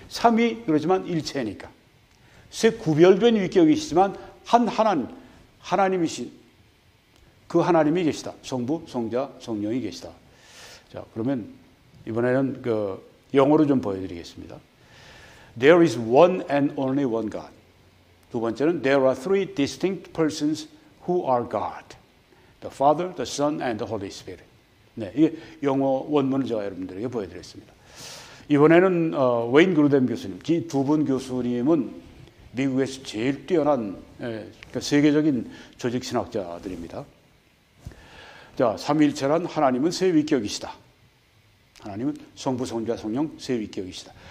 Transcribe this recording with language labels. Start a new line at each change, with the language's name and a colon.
Korean: 삼위 그렇지만 일체니까. 세 구별된 위격이시지만 한 하나님, 하나님이신 그 하나님이 계시다. 성부, 성자, 성령이 계시다. 자, 그러면 이번에는 그 영어로 좀 보여드리겠습니다.
English: There is one and only one God.
Korean: 두 번째는
English: There are three distinct persons who are God. The Father, the Son, and the Holy Spirit.
Korean: 네, 이게 영어 원문을 제가 여러분들에게 보여드렸습니다. 이번에는 웨인 그루뎀 교수님, 이 두 분 교수님은 미국에서 제일 뛰어난 세계적인 조직 신학자들입니다. 자, 삼위일체란 하나님은 세 위격이시다. 하나님은 성부, 성자, 성령 세 위격이시다.